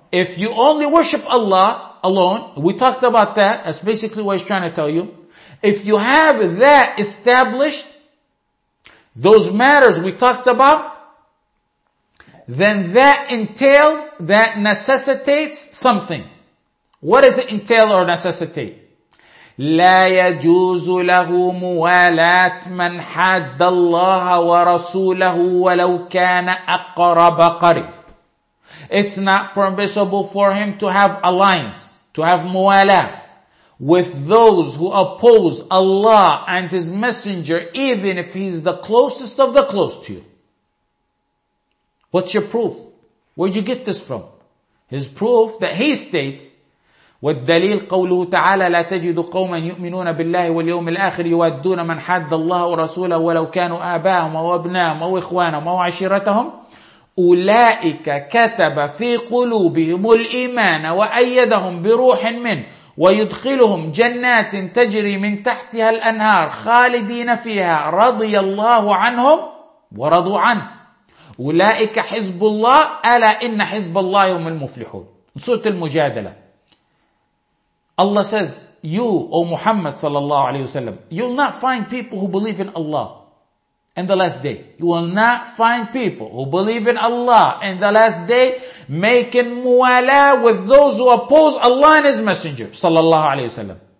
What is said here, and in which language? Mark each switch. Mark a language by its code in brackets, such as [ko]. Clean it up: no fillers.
[en] If you only worship Allah alone, we talked about that. That's basically what he's trying to tell you. If you have that established, those matters we talked about, then that entails, that necessitates something. What does it entail or necessitate? [ar] لا يجوز له موالاة من حد الله ورسوله ولو كان أقرب قريب. [en] It's not permissible for him to have alliance, to have موالاة, with those who oppose Allah and His Messenger, even if He's the closest of the close to you. What's your proof? Where'd you get this from? His proof that he states, [ar] والدليل قوله تعالى لا تجد قوما يؤمنون بالله واليوم الآخر يودون من حد الله ورسوله ولو كانوا آباءهم أو أبناءهم أو إخوانهم أو عشيرتهم أولئك كتب في قلوبهم الإيمان وأيدهم بروح منه ويدخلهم جنات تجري من تحتها الأنهار خالدين فيها رضي الله عنهم ورضوا عنه أولئك حزب الله ألا إن حزب الله هم المفلحون. سورة المجادلة. [en] Allah says, you, O Muhammad sallallahu alayhi wa sallam, you'll not find people who believe in Allah in the last day. You will not find people who believe in Allah in the last day making muwala with those who oppose Allah and His Messenger sallallahu alayhi wa sallam.